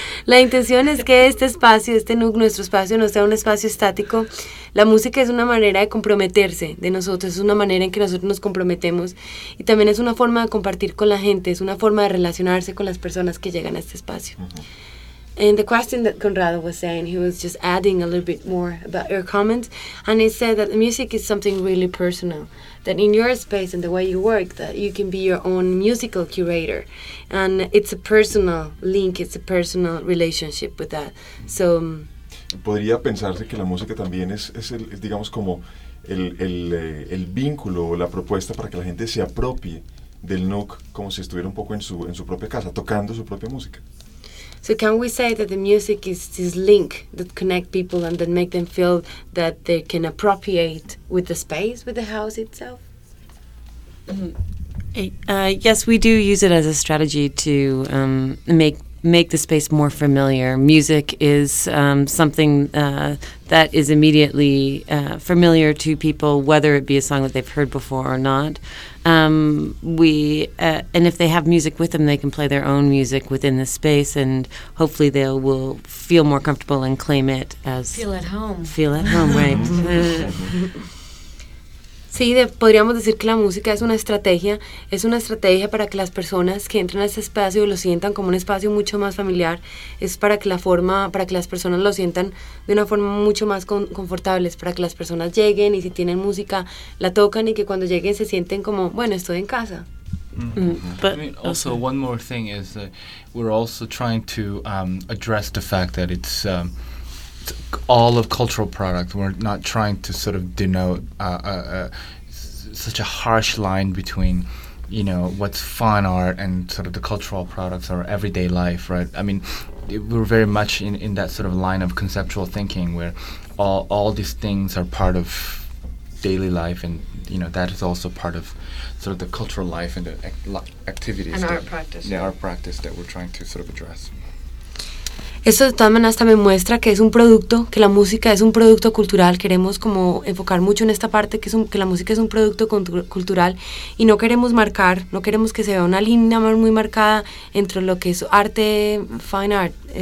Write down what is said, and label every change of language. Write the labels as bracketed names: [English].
[Spanish] La intención es que este espacio, este NUC, nuestro espacio, no sea un espacio estático. La música es una manera de comprometerse de nosotros, es una manera en que nosotros nos comprometemos y también es una forma de compartir con la gente, es una forma de relacionarse con las personas que llegan a este espacio. [English] And the question that Conrado was saying, he was just adding a little bit more about your comments, and he said that the music is something really personal, that in your space and the way you work, that you can be your own musical curator, and it's a personal link, it's a personal relationship with that. So, [Spanish] podría pensarse que la música también es digamos como el vínculo o la propuesta para que la gente se apropie del NUC como si estuviera un poco en su propia casa, tocando su propia música. [English] So can we say that the music is this link that connect people and that make them feel that they can appropriate with the space, with the house itself? Yes, we do use it as a strategy to make the space more familiar. Music is something that is immediately familiar to people, whether it be a song that they've heard before or not. And if they have music with them, they can play their own music within the space, and hopefully they will feel more comfortable and claim it as... Feel at home, right. [Spanish] Sí, podríamos decir que la música es una estrategia para que las personas que entren a ese espacio lo sientan como un espacio mucho más familiar, es para que las personas lo sientan de una forma mucho más confortable, para que las personas lleguen y si tienen música la tocan y que cuando lleguen se sienten como, bueno, estoy en casa. [English] But I mean, also okay. One more thing is that we're also trying to address the fact that it's all of cultural product. We're not trying to sort of denote such a harsh line between, you know, what's fine art and sort of the cultural products or everyday life, right? I mean, we're very much in that sort of line of conceptual thinking where all these things are part of daily life, and you know that is also part of sort of the cultural life and the activities and art practice. Yeah, art practice that we're trying to sort of address. [Spanish] Eso de todas maneras también muestra que es un producto, que la música es un producto cultural. Queremos como enfocar mucho en esta parte, que la música es un producto cultural y no queremos marcar, no queremos que se vea una línea muy marcada entre lo que es arte, fine art.